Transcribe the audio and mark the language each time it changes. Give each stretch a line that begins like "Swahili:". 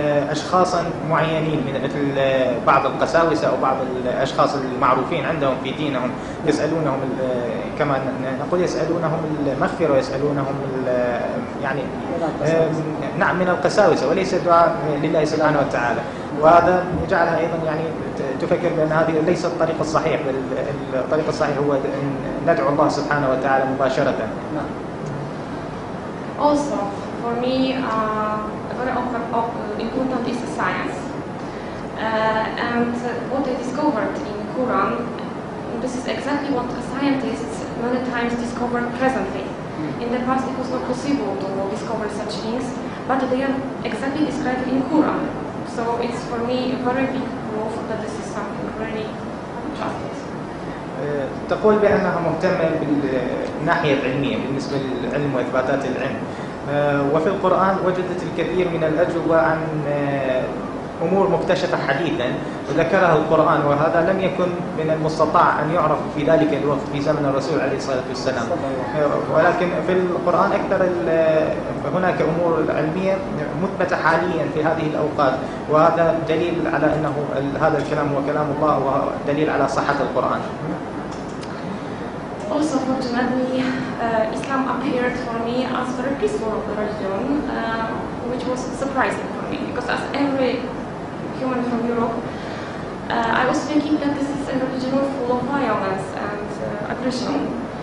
Arabic: أشخاصا معينين من مثل بعض القساوسة أو بعض الأشخاص المعروفين عندهم في دينهم، يسألونهم كما نقول يسألونهم المغفرة ويسألونهم يعني نعم من القساوسة وليس دعاء لله سبحانه وتعالى، وهذا يجعلها أيضا يعني تفكر بأن هذه ليس الطريق الصحيح، بل الطريق الصحيح هو أن ندعو الله سبحانه وتعالى مباشرة.
English: Also, for me, a very important is science. And what I discovered in Quran, this is exactly what scientists many times discover presently. In the past, it was not possible to discover such things, but they are exactly described in Quran. So it's for me a very big proof that this is something really justice.
Arabic: تقول بأنها مهتمة بالناحية العلمية بالنسبة للعلم وإثباتات العلم، وفي القرآن وجدت الكثير من الأجوبة عن أمور مكتشفة حديثا وذكرها القرآن، وهذا لم يكن من المستطاع أن يعرف في ذلك الوقت في زمن الرسول عليه الصلاة والسلام، ولكن في القرآن أكثر هناك أمور علمية مثبتة حاليا في هذه الأوقات، وهذا دليل على أنه هذا الكلام هو كلام الله ودليل على صحة القرآن.
English: Also, fortunately, Islam appeared for me as a very peaceful religion, which was surprising for me, because as every human from Europe, I was thinking that this is a religion full of violence and aggression.